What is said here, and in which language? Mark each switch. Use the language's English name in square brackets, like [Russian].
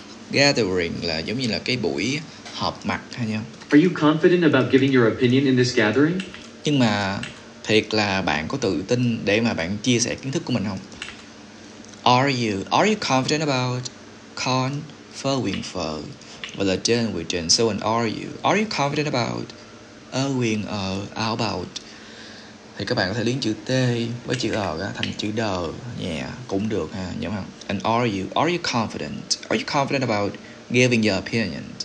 [Vietnamese] Gathering là giống như là cái buổi họp mặt ha nha. [English] Are you confident about giving your opinion in this gathering? [Vietnamese] Nhưng mà thiệt là bạn có tự tin để mà bạn chia sẻ kiến thức của mình không? [English] Are you confident about confirming for validation with and so on? Are you confident about owing or about? [Vietnamese] Thì các bạn có thể liên chữ T với chữ R thành chữ D nhẹ cũng được ha, nhớ không? [English] And are you confident about giving your opinion?